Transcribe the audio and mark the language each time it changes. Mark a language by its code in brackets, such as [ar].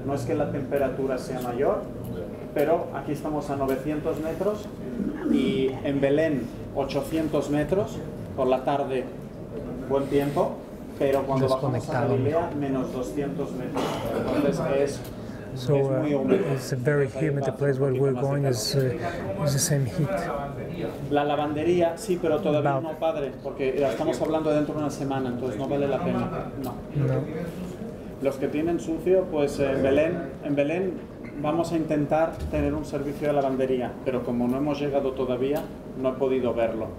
[es] No es que la temperatura sea mayor. Pero aquí estamos a 900 metros y en Belén 800 metros por la tarde, buen tiempo, pero cuando bajamos a Galilea menos 200 metros. Entonces es [en] so [es] es muy húmedo. [en] It's very humid. The place where we're going is the same heat. [es] La lavandería sí, pero todavía no, padre, porque estamos hablando dentro de una semana, entonces no vale la pena. No. No. Los que tienen sucio, pues en Belén. Vamos a intentar tener un servicio de lavandería, pero como no hemos llegado todavía, no he podido verlo.